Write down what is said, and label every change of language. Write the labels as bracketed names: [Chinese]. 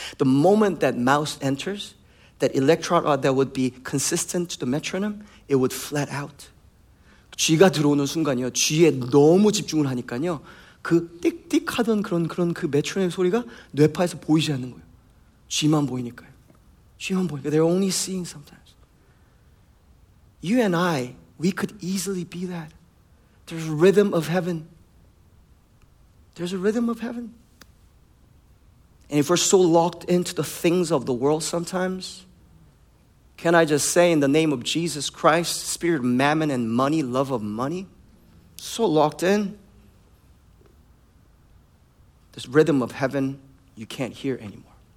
[English] The moment that mouse enters, that electrode that would be consistent to the metronome, it would flat out. [Korean] 쥐가 들어오는 순간이요. 쥐에 너무 집중을 하니까요. 그 띡띡 하던 그런 그 메트로놈 소리가 뇌파에서 보이지 않는 거예요. 쥐만 보이니까요. 쥐만 보이니까. [English] They're only seeing sometimes. You and I, we could easily be that. There's a rhythm of heaven. There's a rhythm of heaven. And if we're so locked into the things of the world sometimes, can I just say in the name of Jesus Christ, spirit of mammon and money, love of money, so locked in, this rhythm of heaven, you can't hear anymore.